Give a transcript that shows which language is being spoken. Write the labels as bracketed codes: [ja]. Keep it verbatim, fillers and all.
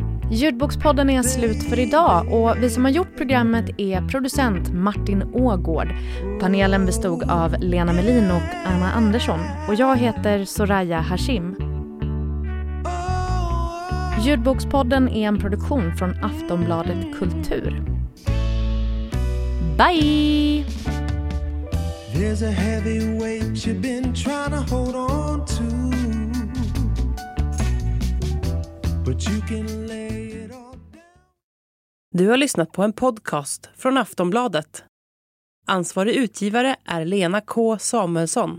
[sv] Ljudbokspodden är slut för idag och vi som har gjort programmet är producent Martin Ågård. Panelen bestod av Lena Melin och Anna Andersson och jag heter Soraya Hashim. Ljudbokspodden är en produktion från Aftonbladet Kultur. [en] Bye! There's a heavy weight you've been trying to hold on to, but you can lay it all down. [sv] Du har lyssnat på en podcast från Aftonbladet. Ansvarig utgivare är Lena K. Samuelsson.